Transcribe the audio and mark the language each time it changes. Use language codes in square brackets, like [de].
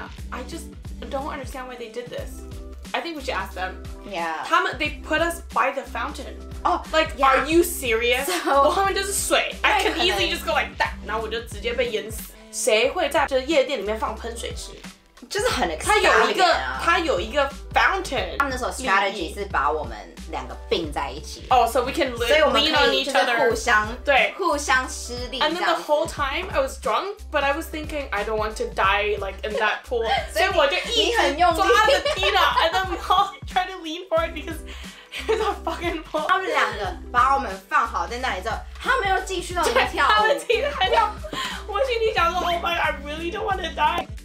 [en] I just don't understand why they did this. I think we should ask them. Yeah. They put us by the fountain. Oh, like,、 yeah. are you serious? So, [zh] 我后面就是水 [en] I can easily just go like that. [zh] 然后我就直接被淹死。谁会在就是夜店里面放喷水池？就是很 extravagant 他有一个 fountain。他们那时候 strategy 是把我们两个并在一起。 [en] Oh, so we can lean on each other. [zh] 互相对，互相施力。 [en] And then the whole time I was drunk, but I was thinking I don't want to die like in that pool. [zh] 所以我就一直抓着 [en] Dena, and then we all try to lean forward because it's a fucking pool. [zh] 他们两个把我们放好在那里之后，他们又继续让我们跳舞。他们继续还跳。我心里想说 [en] ，Oh my God, I really don't want to die.